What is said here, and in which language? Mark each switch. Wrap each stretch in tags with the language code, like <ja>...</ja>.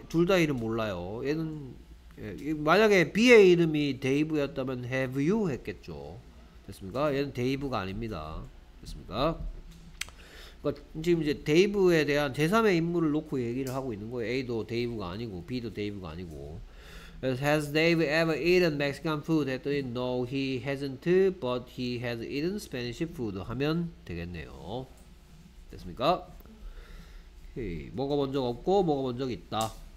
<ko>둘 다 이름 몰라요. 얘는 만약에 B의 이름이 데이브였다면</ko> <en>have you</en> <ko>했겠죠. 됐습니까? 얘는 데이브가 아닙니다. 됐습니까? 그러니까 지금 이제 데이브에 대한 제3의 인물을 놓고 얘기를 하고 있는 거예요. A도 데이브가 아니고 B도 데이브가 아니고.</ko> <en>Has Dave ever eaten Mexican food?</en> <ko>했더니</ko> <en>No, he hasn't, but he has eaten Spanish food.</en> <ko>하면 되겠네요. 됐습니까? 오케이. 먹어본 적 없고 먹어본 적 있다.</ko>